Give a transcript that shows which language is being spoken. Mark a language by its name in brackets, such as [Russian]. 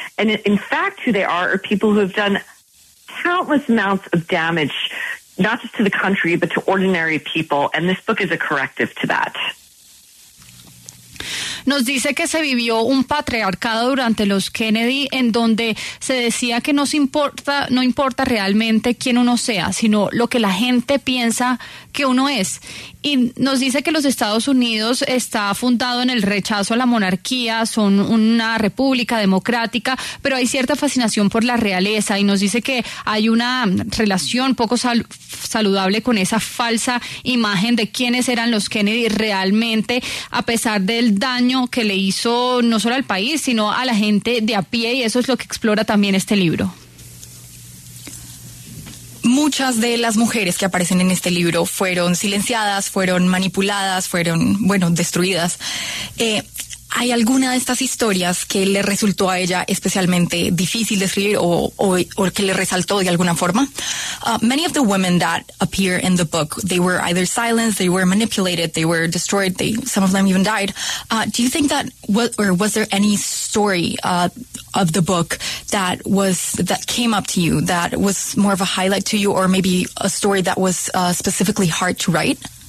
[English] And in fact, who they are people who have done countless amounts of damage, not just to the country, but to ordinary people. And this book is a corrective to that. [Spanish] Nos dice que se vivió un patriarcado durante los Kennedy en donde se decía que no importa realmente quién uno sea, sino lo que la gente piensa que uno es. Y nos dice que los Estados Unidos está fundado en el rechazo a la monarquía, son una república democrática, pero hay cierta fascinación por la realeza y nos dice que hay una relación poco saludable con esa falsa imagen de quiénes eran los Kennedy realmente, a pesar del daño que le hizo no solo al país, sino a la gente de a pie, y eso es lo que explora también este libro. Muchas de las mujeres que aparecen en este libro fueron silenciadas, fueron manipuladas, fueron, bueno, destruidas. ¿Hay alguna de estas historias que le resultó a ella especialmente difícil de escribir o que le resaltó de alguna forma? [English] Many of the women that appear in the book, they were either silenced, they were manipulated, they were destroyed, some of them even died. Do you think that, was there any story of the book that came up to you, that was more of a highlight to you, or maybe a story that was specifically hard to write?